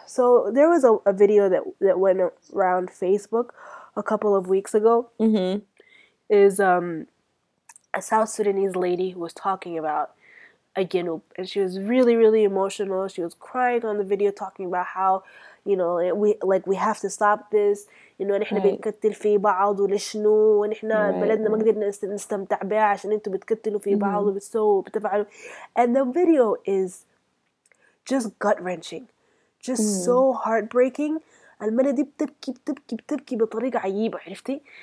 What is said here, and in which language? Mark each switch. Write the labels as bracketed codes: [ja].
[en] So there was a video that went around Facebook a couple of weeks ago. Is a South Sudanese lady who was talking about Again, and she was really, really emotional. She was crying on the video, talking about how, we have to stop this. [ar] نحن [en] Right. [ar] بنكتل في بعض ولشنو ونحن بلدنا ما قدرنا نستمتع بها عشان انتم بتكتلوا في بعض وبتسووا وبتفعلوا. [en] And the video is just gut wrenching, just so heartbreaking. [ar] المرة دي بتبكي بتبكي بتبكي بطريقة عجيبة عرفتي.